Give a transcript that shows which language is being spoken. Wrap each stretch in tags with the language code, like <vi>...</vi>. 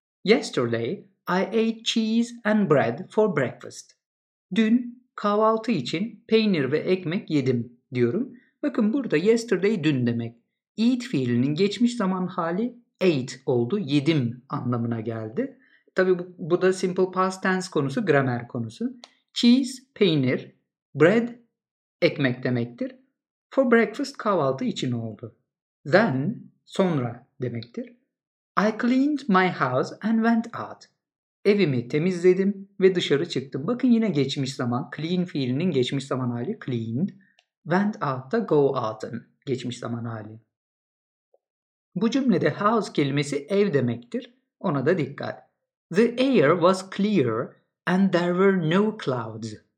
<en>Yesterday I ate cheese and bread for breakfast.</en> <tr>Dün kahvaltı için peynir ve ekmek yedim diyorum. Bakın burada yesterday dün demek. Eat fiilinin geçmiş zaman hali ate oldu. Yedim anlamına geldi. Tabii bu da simple past tense konusu, gramer konusu. Cheese, peynir. Bread, ekmek demektir.</tr> <en>For breakfast,</en> <tr>kahvaltı için oldu.</tr> <en>Then,</en> <tr>sonra demektir.</tr> <en>I cleaned my house and went out.</en> <tr>Evimi temizledim ve dışarı çıktım. Bakın yine geçmiş zaman, clean fiilinin geçmiş zaman hali cleaned. Went out da go out'ın geçmiş zaman hali. Bu cümlede house kelimesi ev demektir. Ona da dikkat.</tr> <en>The air was clear and there were no clouds.</en>